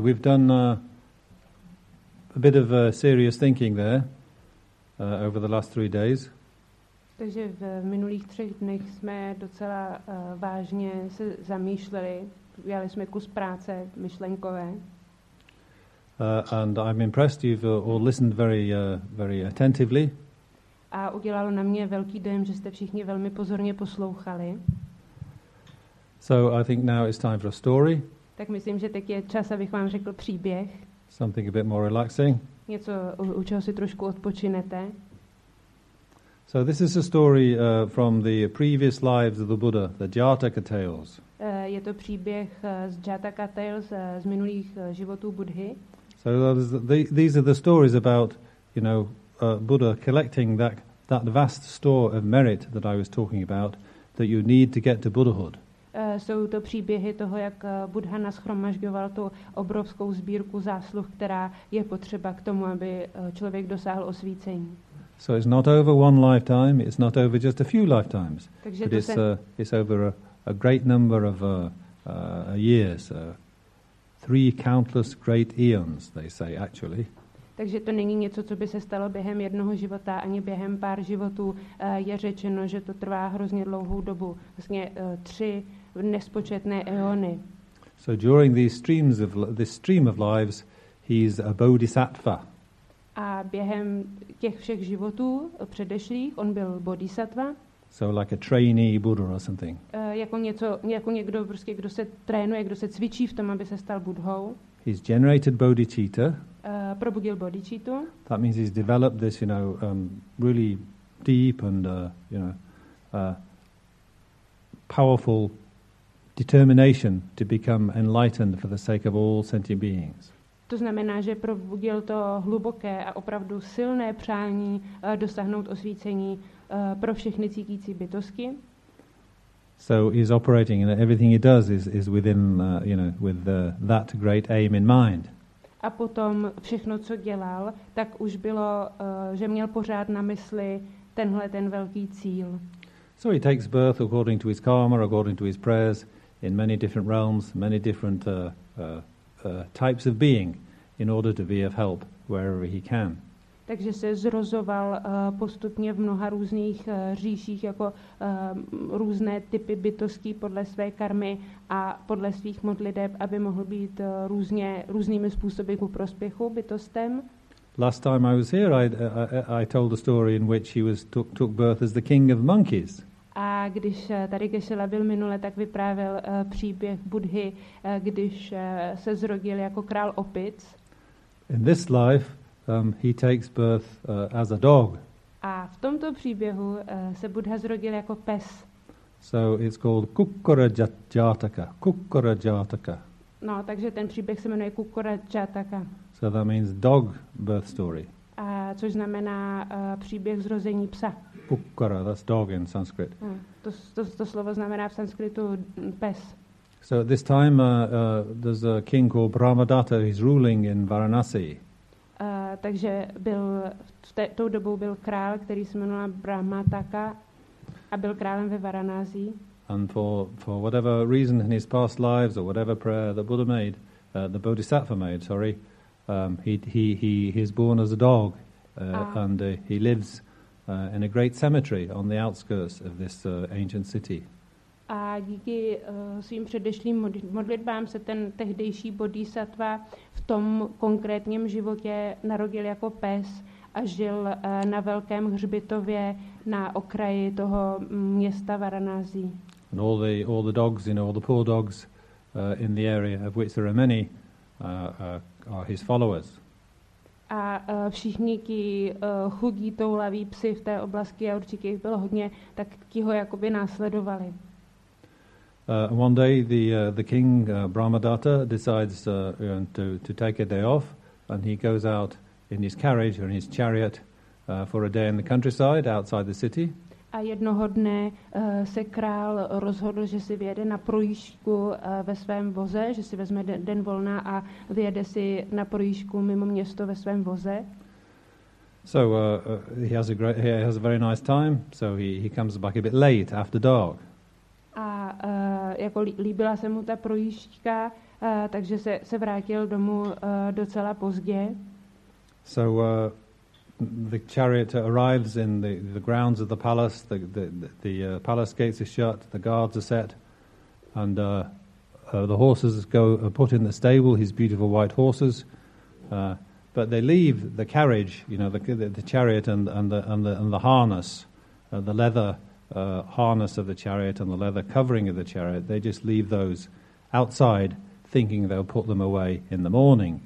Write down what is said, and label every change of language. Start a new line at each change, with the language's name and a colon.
English: We've done a bit of serious thinking there over the last 3 days.
Czech: Takže v minulých třech dnech jsme docela vážně se zamýšleli, dělali jsme kus práce myšlenkové.
English: And I'm impressed you've all listened very very attentively.
Czech: A udělalo na mě velký dojem, že jste všichni velmi pozorně poslouchali.
English: So I think now it's time for a story.
Czech: Tak myslím, že teď je čas, abych vám řekl příběh.
English: Something a bit more relaxing.
Czech: Něco, u čeho si trošku odpočinete.
English: So this is a story from the previous lives of the Buddha, the Jataka tales.
Czech: Je to příběh z Jataka tales, z minulých životů Buddhy.
English: So these are the stories about, you know, Buddha collecting that vast store of merit that I was talking about that you need to get to Buddhahood.
Czech: Jsou to příběhy toho, jak Buddha nashromažďoval tu obrovskou sbírku zásluh, která je potřeba k tomu, aby člověk dosáhl osvícení.
English: So it's not over one lifetime, it's not over just a few lifetimes.
Czech: Takže
English: but it's over a great number of years. Three countless great eons, they say, actually.
Czech: Takže to není něco, co by se stalo během jednoho života, ani během pár životů. Je řečeno, že to trvá hrozně dlouhou dobu. Vlastně tři nespočetné eony.
English: So during these streams of this stream of lives, he's a bodhisattva.
Czech: A během těch všech životů předešlých, on byl bodhisattva.
English: So like a trainee Buddha or something.
Czech: Jako něco, jako někdo, prostě, kdo se trénuje, kdo se cvičí v tom, aby se stal Buddhou.
English: He's generated bodhicitta.
Czech: Probudil bodhicittu.
English: That means he's developed this, you know, really deep and, you know, powerful determination to become enlightened for the sake of all sentient beings.
Czech: To znamená, že probudil to hluboké a opravdu silné přání dosáhnout osvícení pro všechny cítící bytosti.
English: So he's operating and everything he does is within, you know, with that great aim in mind.
Czech: A potom všechno, co dělal, tak už bylo, že měl pořád na mysli tenhle ten velký cíl.
English: So he takes birth according to his karma, according to his prayers, in many different realms, many different types of being, in order to be of help wherever he can.
Czech: Takže se zrozoval postupně v mnoha různých říších jako různé typy bytostí podle své karmy a podle svých modliteb, aby mohl být různými způsoby ku prospěchu bytostem.
English: Last time I was here, I told a story in which he was took birth as the king of monkeys.
Czech: A když tady Kešila byl minule, tak vyprávěl příběh Buddhy, když se zrodil jako král opic.
English: In this life, he takes birth as a dog.
Czech: A v tomto příběhu se Buddha zrodil jako pes.
English: So it's called Kukkurajataka. Kukkurajataka.
Czech: No, takže ten příběh se jmenuje Kukkurajataka.
English: So that means dog birth story.
Czech: A což znamená příběh zrození psa.
English: Kukkara, that's dog in Sanskrit.
Czech: To slovo znamená v sanskritu pes.
English: So at this time there's a king called Brahmadatta who's ruling in Varanasi.
Czech: Takže byl tou dobou byl král, který se jmenoval Brahmadatta a byl králem ve Varanasi.
English: And for whatever reason in his past lives or whatever prayer the Buddha made, the Bodhisattva made, sorry, he is born as a dog and he lives in a great cemetery on the outskirts of this ancient city.
Czech: A díky svým předešlým modlitbám se ten tehdejší bodhisattva v tom konkrétním životě narodil jako pes a žil na velkém hřbitově na okraji toho města Varanasi.
English: And all the dogs, you know, all the poor dogs in the area, of which there are many, are his followers.
Czech: A všichni ti chudí toulaví psi v té oblasti a určitě jich bylo hodně, tak ti ho jakoby následovali.
English: One day the king Brahmadatta decides to take a day off and he goes out in his carriage or in his chariot for a day in the countryside outside the city.
Czech: A jednoho dne se král rozhodl, že si vyjede na projížďku ve svém voze, že si vezme den volna a vyjede si na projížďku mimo město ve svém voze.
English: So he has a very nice time, so he comes back a bit late after dark.
Czech: A jako líbila se mu ta projížďka, takže se vrátil domů docela pozdě.
English: So the chariot arrives in the grounds of the palace, the palace gates are shut, the guards are set, and the horses go put in the stable, his beautiful white horses, but they leave the carriage, you know, the chariot and the harness, the leather harness of the chariot and the leather covering of the chariot, they just leave those outside, thinking they'll put them away in the morning.